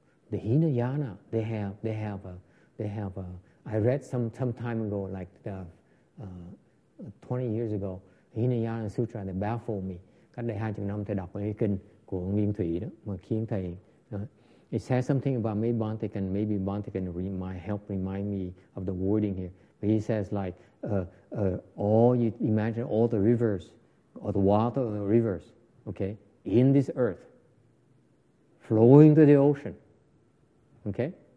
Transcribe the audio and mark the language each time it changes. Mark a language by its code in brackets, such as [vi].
[en] The Hinayana, I read some time ago, like 20 years ago, Hinayana Sutra, they baffled me. [vi] Cách đây 20 năm thầy đọc cái kinh của Nguyên Thủy đó, mà khiến thầy, [en] it says something about maybe Bhante can remind me of the wording here. But he says like, all you imagine all the rivers, all the water of the rivers, okay, in this earth, flowing to the ocean, okay?